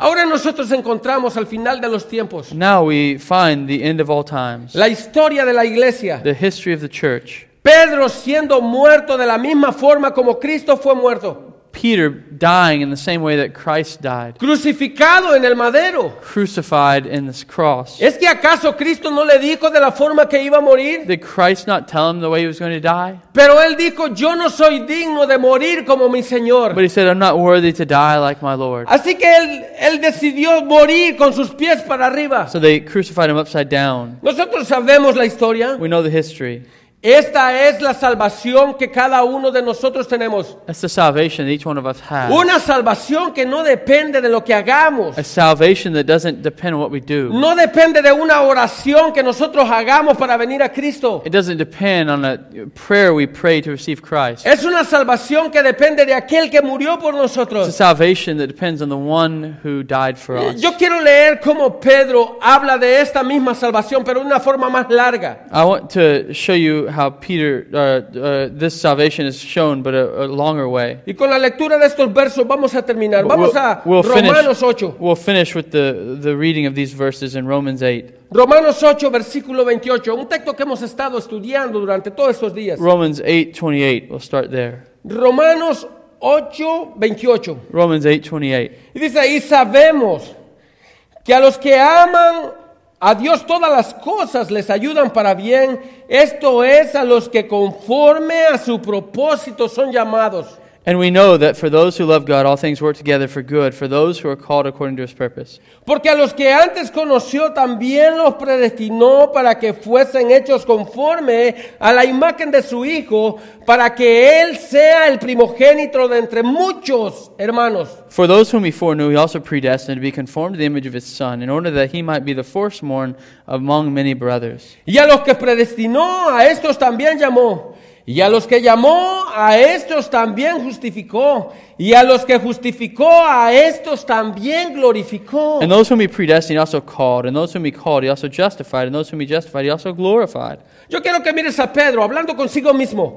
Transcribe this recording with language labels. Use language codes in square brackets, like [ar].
[es] Ahora nosotros encontramos al final de los tiempos. [en] Now we find the end of all times. [es] La historia de la iglesia. [en] The history of the church. [es] Pedro siendo muerto de la misma forma como Cristo fue muerto. [en] Peter dying in the same way that Christ died. [es] Crucificado en el madero. [en] Crucified in this cross. [es] ¿Es que acaso Cristo no le dijo de la forma que iba a morir? [en] Did Christ not tell him the way he was going to die? [es] Pero él dijo, yo no soy digno de morir como mi Señor. [en] But he said, I'm not worthy to die like my Lord. [es] Así que él decidió morir con sus pies para arriba. [en] So they crucified him upside down. [es] Nosotros sabemos la historia. [en] We know the history. [es] Esta es la salvación que cada uno de nosotros tenemos. [en] That's the salvation each one of us has. [es] Una salvación que no depende de lo que hagamos. [en] A salvation that doesn't depend on what we do. [es] No depende de una oración que nosotros hagamos para venir a Cristo. [en] It doesn't depend on a prayer we pray to receive Christ. [es] Es una salvación que depende de aquel que murió por nosotros. [en] It's a salvation that depends on the one who died for us. [es] Yo quiero leer cómo Pedro habla de esta misma salvación, pero de una forma más larga. [en] I want to show you how Peter this salvation is shown but a longer way. [es] Y con la lectura de estos versos vamos a terminar. Vamos Romanos 8. [en] We'll finish with the reading of these verses in Romans 8. [es] Romanos 8 versículo 28, un texto que hemos estado estudiando durante todos estos días. [en] Romans 8:28. We'll start there. [es] Romanos 8:28. [en] Romans 8:28. [es] Y dice, "Y sabemos que a los que aman a Dios todas las cosas les ayudan para bien, esto es a los que conforme a su propósito son llamados." [en] And we know that for those who love God, all things work together for good, for those who are called according to His purpose. [es] Porque a los que antes conoció también los predestinó para que fuesen hechos conforme a la imagen de su Hijo, para que Él sea el primogénito de entre muchos hermanos. [en] For those whom He foreknew, He also predestined to be conformed to the image of His Son, in order that He might be the firstborn among many brothers. [es] Y a los que predestinó, a estos también llamó. Y a los que llamó, a estos también justificó. Y a los que justificó, a estos también glorificó. [en] And those whom He predestined, He also called. And those whom He called, He also justified. And those whom He justified, He also glorified. [es] Yo quiero que mires a Pedro hablando consigo mismo.